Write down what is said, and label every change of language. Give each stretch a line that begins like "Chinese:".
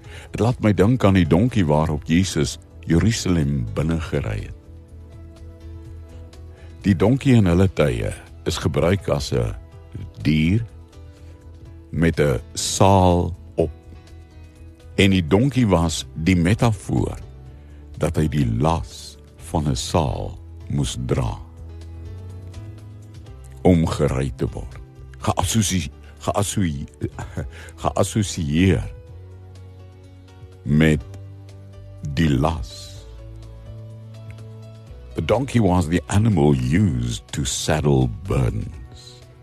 Afrikaans: Het laat my dink aan die donkie waarop Jesus Jerusalem binne gery het. Die donkie in hulle tye is gebruik as 'n dier met 'n saal op. En die donkie was die metafoor dat hy die las van 'n saal moes dra om gery te word. Geassosieer met die las.
English: The donkey was the animal used to saddle burdens.